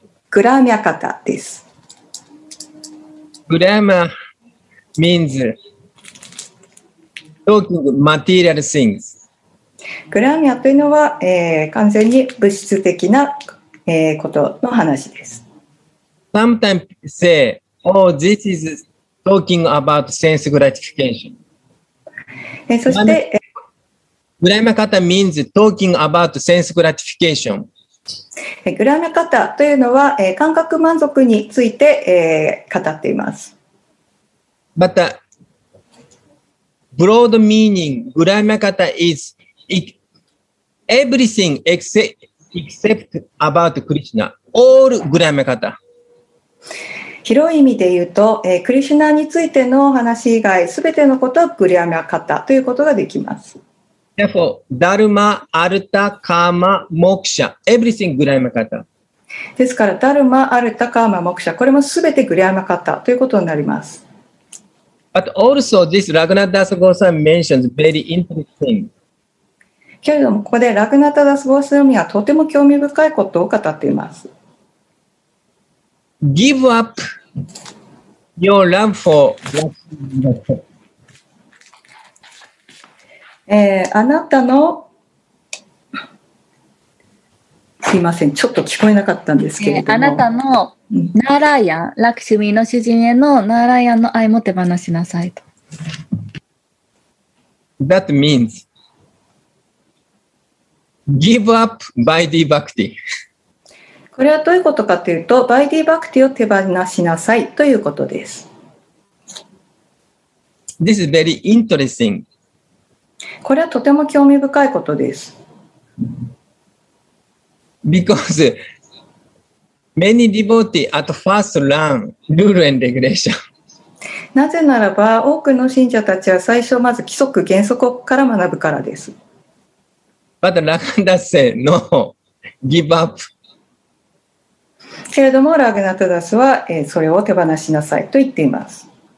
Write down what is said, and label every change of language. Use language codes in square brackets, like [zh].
[ja] グラーミャカタです。 [en] グラーミャ means talking material things. [ja] グラミアというのは、完全に物質的な、ことの話です。 [en] Sometimes say, oh, this is talking about sense gratification. [ja] そして、 [en] グラミア方 means talking about sense gratification. [ja] グラミア方というのは、感覚満足について、語っています。 [en] But a broad meaning, グラミア方 is everything except about Krishna, all Gramyakata. [ja] 広い意味で言うと、クリシュナについての話以外、すべてのことはグラミャカタということができます。 [en] Therefore, Dharma, Artha, Karma, Moksha, everything Gramyakata. [ja] ですから、Dharma, Artha, Karma, Moksha, これもすべてグラミャカタということになります。 [en] But also, this Raghunath Das Goswami mentions very interesting. [ja] けれどもここでラグナタダスゴースワミはとても興味深いことを語っています。 [en] Give up your love for Lakshmi. [ja] あなたのすいませんちょっと聞こえなかったんですけれども、あなたのナーラヤン、ラクシュミの主人へのナーラヤンの愛も手放しなさいと。 [en] That means. Give up Vaidhi Bhakti. [ja] これはどういうことかというと、Vaidhi Bhakti を手放しなさいということです。 [en] This is very interesting. [ja] これはとても興味深いことです。 [en] Because many devotees at first learn rule and regulation. [ja] なぜならば、多くの信者たちは最初まず規則原則から学ぶからです。 [en] But Raghunatha said, no, give up. [ja] けれども、ラグナタダスは、それを手放しなさいと言っています。